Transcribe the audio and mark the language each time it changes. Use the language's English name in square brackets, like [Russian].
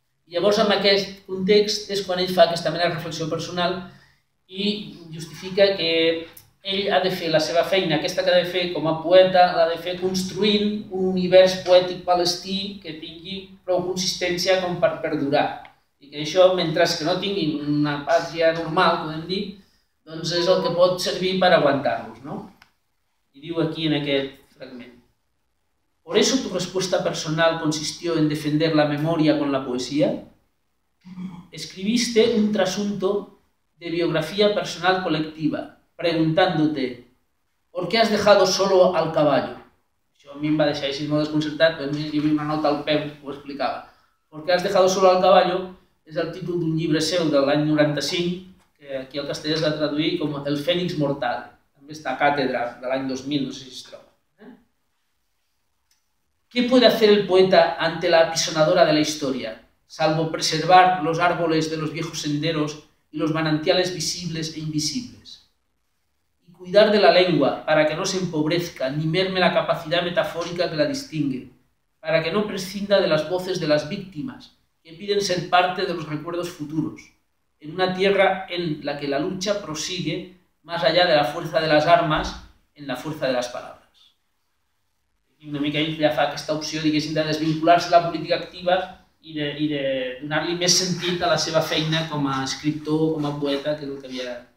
[Catalan] Llavors en aquest context és quan ell fa aquesta mena de reflexió personal i justifica que ell ha de fer la seva feina, aquesta que ha de fer com a poeta, l'ha de fer construint un univers poètic palestí que tingui prou consistència com per perdurar. I que això, mentre que no tinguin una pàtria normal, podem dir, doncs és el que pot servir per aguantar-los, no? I diu aquí en aquest fragment. [Spanish] Por eso tu respuesta personal consistió en defender la memoria con la poesía. Escribiste un trasunto de biografía personal colectiva, preguntándote, ¿por qué has dejado solo al caballo? [Catalan] Això a mi em va deixar així molt desconcertat, però jo vi una nota al Pep que ho explicava. [Spanish] ¿Por qué has dejado solo al caballo? [Catalan] És el títol d'un llibre seu de l'any 95, aquí al castellà es va traduir com el fènix mortal, també està a Càtedra, de l'any 2000, no sé si es troba. [Spanish] ¿Qué puede hacer el poeta ante la apisonadora de la historia, salvo preservar los árboles de los viejos senderos y los manantiales visibles e invisibles? Y cuidar de la lengua para que no se empobrezca ni merme la capacidad metafórica que la distingue, para que no prescinda de las voces de las víctimas que piden ser parte de los recuerdos futuros, en una tierra en la que la lucha prosigue más allá de la fuerza de las armas, en la fuerza de las palabras. [Catalan] I una mica ell ja fa aquesta opció, diguéssim, de desvincular-se de la política activa i de donar-li més sentit a la seva feina com a escriptor, com a poeta, que és el que havia